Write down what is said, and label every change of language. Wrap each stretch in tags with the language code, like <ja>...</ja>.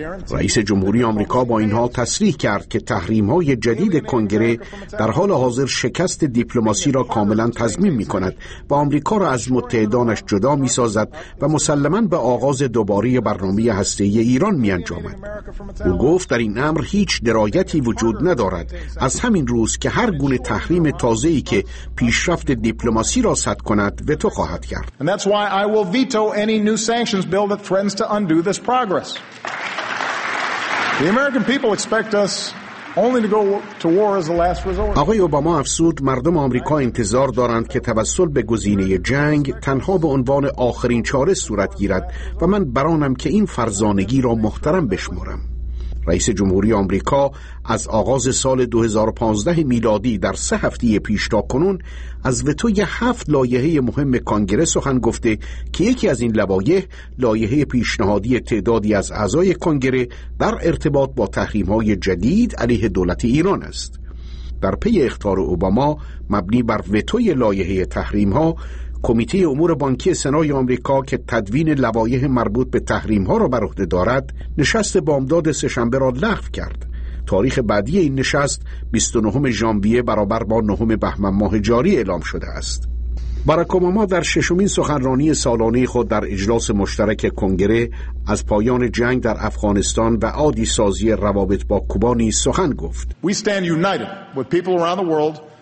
<fa>رئیس جمهوری آمریکا با این حال تصریح کرد که تحریم‌های جدید کنگره در حال حاضر شکست دیپلماسی را کاملا تضمین می‌کند و آمریکا را از متحدانش جدا می‌سازد و مسلماً به آغاز دوباره برنامه هسته‌ای ایران می‌انجامد. او گفت در این امر هیچ درایتی وجود ندارد، از همین روز که هر گونه تحریم تازه‌ای که پیشرفت دیپلماسی را سد کند وتو خواهد کرد.</fa> <en>And that's why I will veto any new sanctions bill that threatens to undo this progress. The American people expect us only to go to war as a last resort.</en> <fa>آقای اوباما افسود مردم آمریکا انتظار دارند که توسل به گزینه جنگ تنها به عنوان آخرین چاره صورت گیرد و من برانم که این فرزانگی را محترم بشمارم. رئیس جمهوری آمریکا از آغاز سال 2015 میلادی در سه هفته پیش تا کنون از وتوی 7 لایحه مهم کنگره سخن گفته که یکی از این لوایح لایحه پیشنهادی تعدادی از اعضای کنگره در ارتباط با تحریم‌های جدید علیه دولت ایران است. در پی اخطار اوباما مبنی بر وتوی لایحه تحریم‌ها، کمیته امور بانکی سنای آمریکا که تدوین لوایح مربوط به تحریم‌ها را بر عهده دارد، نشست بامداد سه‌شنبه را لغو کرد. تاریخ بعدی این نشست 29 ژانویه برابر با 9 بهمن ماه جاری اعلام شده است. باراک اوباما در ششمین سخنرانی سالانه خود در اجلاس مشترک کنگره از پایان جنگ در افغانستان و عادی سازی روابط با کوبا نیز سخن گفت.</fa> <en>We stand united with people around the world.</en>